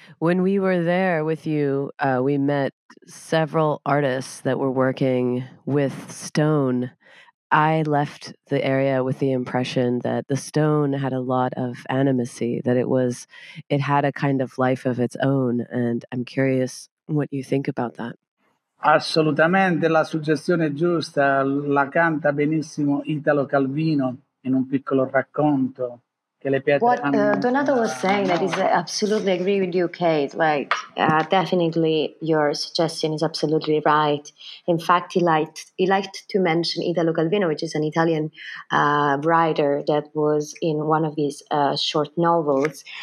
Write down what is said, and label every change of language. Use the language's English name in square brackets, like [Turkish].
[English] When we were there with you, we met several artists that were working with stone. I left the area with the impression that the stone had a lot of animacy, that it had a kind of life of its own, and I'm curious what you think about that. [Italian] Assolutamente, la suggestione è giusta, la canta benissimo Italo Calvino in un piccolo racconto. [English] What Donato was saying, that is, I absolutely agree with you, Kate. Like, definitely your suggestion is absolutely right. In fact, he liked to mention Italo Calvino, which is an Italian writer that was in one of his short novels.